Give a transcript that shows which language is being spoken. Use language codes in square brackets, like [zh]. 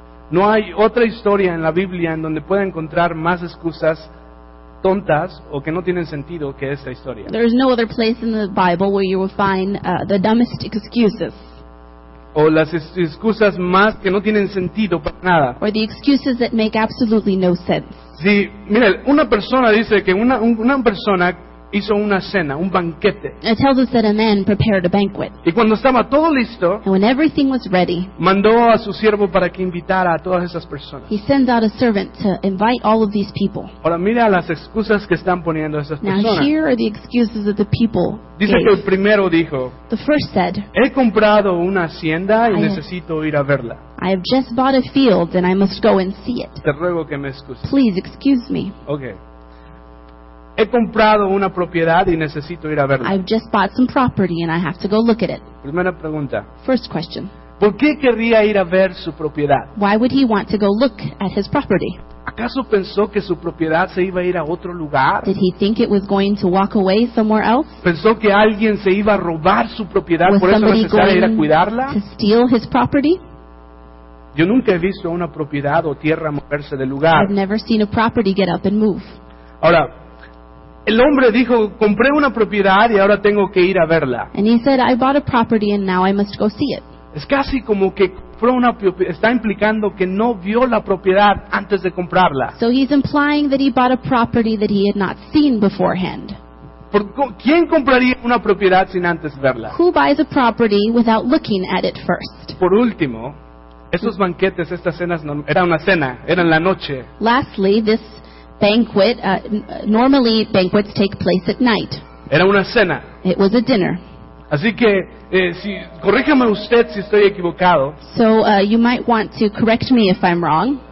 [es] No hay otra historia en la Biblia en donde pueda encontrar más excusas tontas o que no tienen sentido que esta historia. [en] There is no other place in the Bible where you will find the dumbest excuses. [es] O las excusas más que no tienen sentido para nada. [en] Or the excuses that make absolutely no sense. [es] Sí, mire, una persona dice que una persona hizo una cena, un banquete. [en] It tells us that a man prepared a banquet. [es] Y cuando estaba todo listo, [en] and when everything was ready, [es] mandó a su siervo para que invitara a todas esas personas. [en] He sends out a servant to invite all of these people. [es] Ahora mira las excusas que están poniendo esas [en] now, [es] personas. [en] Now here are the excuses that the people [es] dice [en] gave. [es] Que el primero dijo, [en] the first said, [es] he comprado una hacienda y necesito ir a verla. [en] I have just bought a field and I must go and see it. [es] Te ruego que me excuses. [en] Please excuse me. Okay. [es] He comprado una propiedad y necesito ir a verla. [en] I've just bought some property and I have to go look at it. [es] Primera pregunta. [en] First question. [es] ¿Por qué querría ir a ver su propiedad? [en] Why would he want to go look at his property? [es] ¿Acaso pensó que su propiedad se iba a ir a otro lugar? [en] Did he think it was going to walk away somewhere else? [es] ¿Pensó que alguien se iba a robar su propiedad [en] was [es] por eso necesitaba [en] going [es] ir a cuidarla? [en] To steal his property? [es] Yo nunca he visto una propiedad o tierra moverse de lugar. [en] I've never seen a property get up and move. [es] Ahora, el hombre dijo, compré una propiedad y ahora tengo que ir a verla. [en] And he said, I bought a property and now I must go see it. [es] Es casi como que compró una propiedad, está implicando que no vio la propiedad antes de comprarla. [en] So he's implying that he bought a property that he had not seen beforehand. [es] ¿Quién compraría una propiedad sin antes verla? [en] Who buys a property without looking at it first? [es] Por último, esos banquetes, estas cenas, no, era una cena, eran la noche. [en] Lastly, this banquet, normally banquets take place at night. [es] Era una cena. [en] It was a dinner. [es] Así que, corríjame usted si estoy equivocado. [en] So, you might want to correct me if I'm wrong.